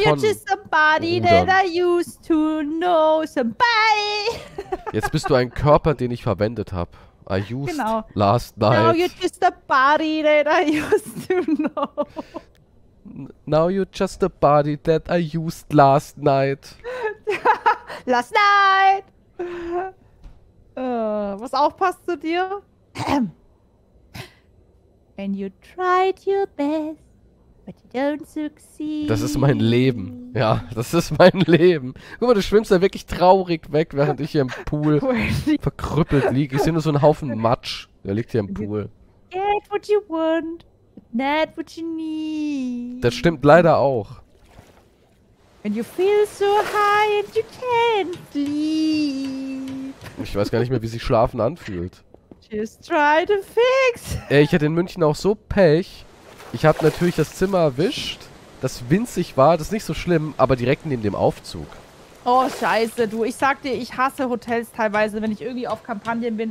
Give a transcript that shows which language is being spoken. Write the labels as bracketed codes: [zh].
[en] Now you're just somebody that I used to know. Somebody. [de] Jetzt bist du ein Körper, den ich verwendet habe. [en] I used last night. Now you're just a body that I used to know. Now you're just a body that I used last night. Last night. [de] Was auch passt zu dir? [en] And you tried your best, but you don't succeed. [de] Das ist mein Leben. Ja, das ist mein Leben. Guck mal, du schwimmst ja wirklich traurig weg, während ich hier im Pool verkrüppelt liege. Ich sehe nur so einen Haufen Matsch. Der liegt hier im Pool. [en] Get what you want, but not what you need. [de] Das stimmt leider auch. [en] When you feel so high and you can't sleep. [de] Ich weiß gar nicht mehr, wie sich Schlafen anfühlt. [en] Just try to fix. [de] Ey, ich hatte in München auch so Pech. Ich habe natürlich das Zimmer erwischt. Das winzig war, das ist nicht so schlimm, aber direkt neben dem Aufzug. Oh, scheiße, du. Ich sag dir, ich hasse Hotels teilweise, wenn ich irgendwie auf Kampagnen bin.